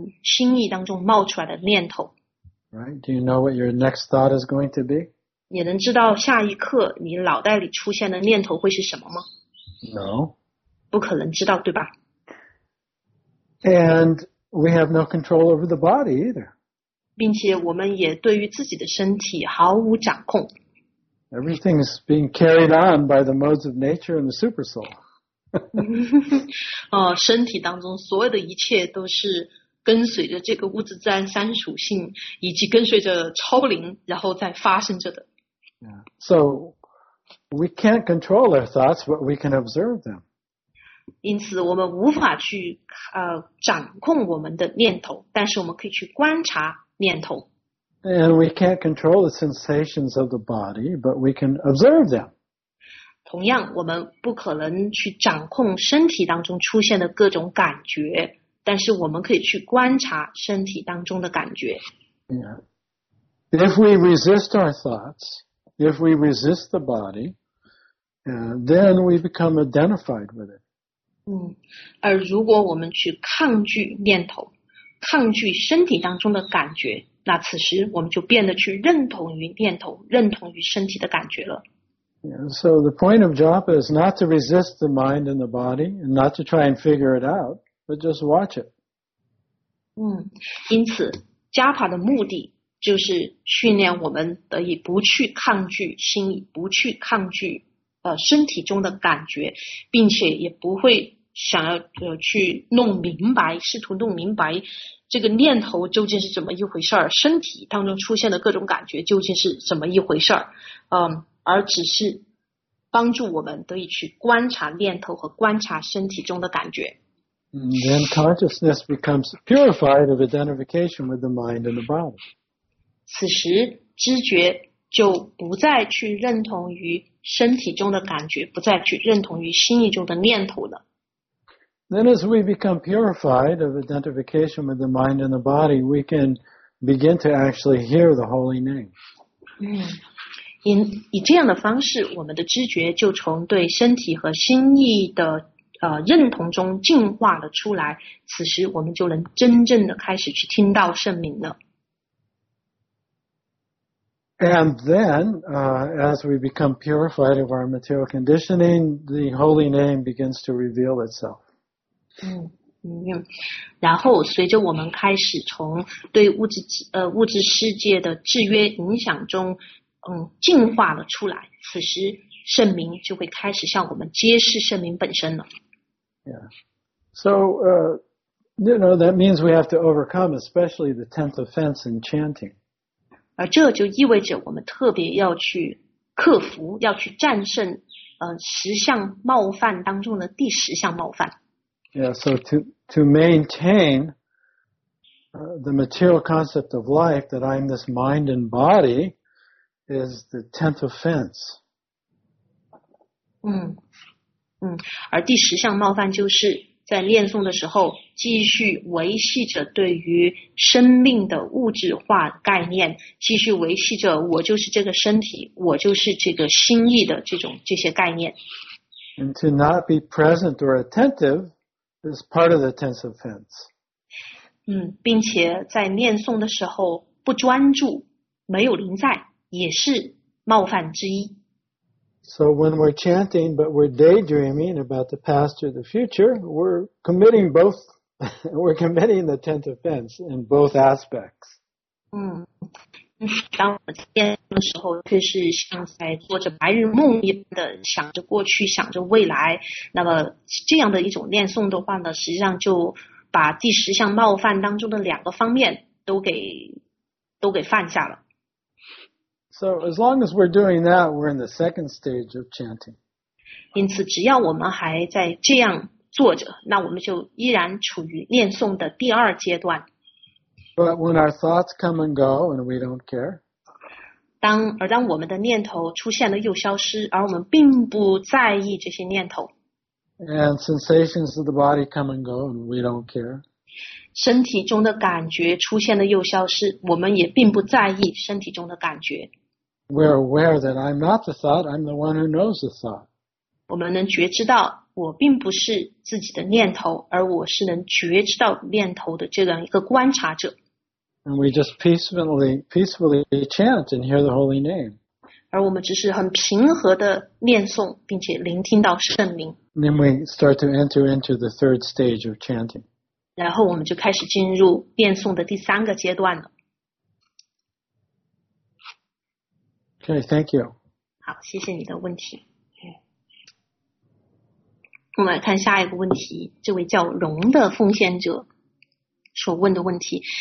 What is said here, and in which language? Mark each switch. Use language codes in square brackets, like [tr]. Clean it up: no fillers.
[zh] 因为我们并不能去掌控我们心意当中冒出来的念头。 [en] Right? Do you know what your next thought is going to be? [zh] 你能知道下一刻你脑袋里出现的念头会是什么吗? [en] No. [zh] 不可能知道，对吧? [en] And we have no control over the body either. [zh] 并且我们也对于自己的身体毫无掌控。 [en] Everything is being carried on by the modes of nature and the super soul. [zh] 身体当中所有的一切都是跟随着这个物质自然三属性，以及跟随着超灵，然后再发生着的。 [en] Yeah. So we can't control our thoughts, but we can observe them. [zh] 因此，我们无法去掌控我们的念头，但是我们可以去观察念头。 [en] And we can't control the sensations of the body, but we can observe them. [zh] 同样，我们不可能去掌控身体当中出现的各种感觉，但是我们可以去观察身体当中的感觉。 [en] Yeah. If we resist our thoughts, if we resist the body, then we become identified with it. [zh] 而如果我们去抗拒念头，抗拒身体当中的感觉，那此时我们就变得去认同于念头，认同于身体的感觉了。 [en] Yeah, so the point of japa is not to resist the mind and the body, and not to try and figure it out, but just watch it. [zh] 因此加帕的目的就是训练我们得以不去抗拒心理，不去抗拒身体中的感觉，并且也不会想要去弄明白，试图弄明白这个念头究竟是怎么一回事儿，身体当中出现的各种感觉究竟是怎么一回事儿。而只是帮助我们得以去观察念头和观察身体中的感觉。 [en] Then consciousness becomes purified of identification with the mind and the body. [zh] 此时知觉就不再去认同于身体中的感觉，不再去认同于心意中的念头了。 [en] Then as we become purified of identification with the mind and the body, we can begin to actually hear the holy name. [zh] 以这样的方式，我们的知觉就从对身体和心意的认同中进化了出来，此时我们就能真正的开始去听到圣名了。 [en] And then, as we become purified of our material conditioning, the holy name begins to reveal itself. [zh] 然后随着我们开始从对物质世界的制约影响中进化了出来，此时圣名就会开始向我们揭示圣名本身了。 [en] That means we have to overcome, especially the tenth offense in chanting. [zh] 而这就意味着我们特别要去克服，要去战胜十项冒犯当中的第十项冒犯。 [en] So to maintain the material concept of life that I'm this mind and body. Is the tenth offense. [zh] 而第十项冒犯就是在念诵的时候继续维系着对于生命的物质化概念，继续维系着我就是这个身体，我就是这个心意的这些概念。 [en] And to not be present or attentive is part of the tenth offense. [zh] 并且在念诵的时候不专注，没有临在。也是冒犯之一。 [en] So when we're chanting, but we're daydreaming about the past or the future, we're committing the tenth offense in both aspects. [zh] 当我们念的时候，却是像在做着白日梦一般的想着过去，想着未来。那么这样的一种念诵的话呢，实际上就把第十项冒犯当中的两个方面都给犯下了。 [en] So as long as we're doing that, we're in the second stage of chanting. [zh] 因此，只要我们还在这样坐着，那我们就依然处于念诵的第二阶段。 [en] But when our thoughts come and go, and we don't care, [zh] 当我们的念头出现了又消失，而我们并不在意这些念头。 [en] And sensations of the body come and go, and we don't care. [zh] 身体中的感觉出现了又消失，我们也并不在意身体中的感觉。 [en] We're aware that I'm not the thought, I'm the one who knows the thought. [zh] 我们能觉知到我并不是自己的念头，而我是能觉知到念头的这样一个观察者。 [en] And we just peacefully chant and hear the holy name. [zh] 而我们只是很平和的念诵，并且聆听到圣名。 [en] Then we start to enter into the third stage of chanting. [zh] 然后我们就开始进入念诵的第三个阶段了。 [en] Okay, thank you. [zh] 好，谢谢你的问题。我们来看下一个问题，这位叫荣的奉献者所问的问题。